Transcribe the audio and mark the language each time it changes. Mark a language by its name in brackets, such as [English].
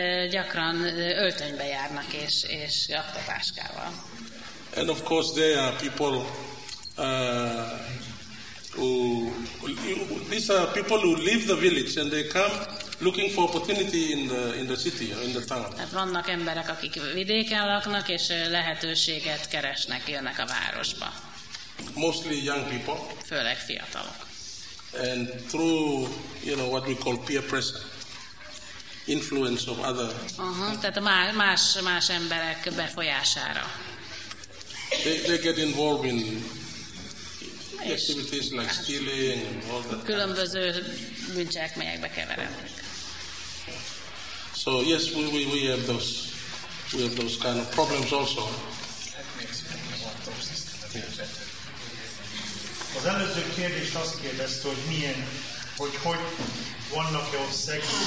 [Hungarian] Gyakran öltönybe járnak és aktatáskával. [English] And of course there are people who leave the village and they come looking for opportunity in the city or in the town. [Hungarian] Hát vannak emberek, akik vidéken laknak és lehetőséget keresnek, jönnek a városba. [English] Mostly young people. [Hungarian] Főleg fiatalok. [English] And through, you know, what we call peer pressure. Influence of other. [Hungarian] Tehát más emberek befolyására. [English] They get involved in activities like stealing and all that. [Hungarian] Különböző bűncselekményekbe keverednek. [English] So yes, we have those. we have those kind of problems also. [Hungarian] Az előző kérdés azt kérdezte, hogy milyen, hogy vannak-e országok.